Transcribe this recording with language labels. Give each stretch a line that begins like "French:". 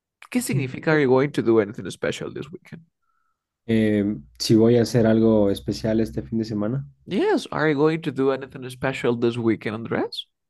Spanish: ¿Qué significa
English: are you going to do anything special this weekend?
Spanish: Si voy a hacer algo especial este fin de semana.
English: Yes, are you going to do anything special this weekend, Andrés?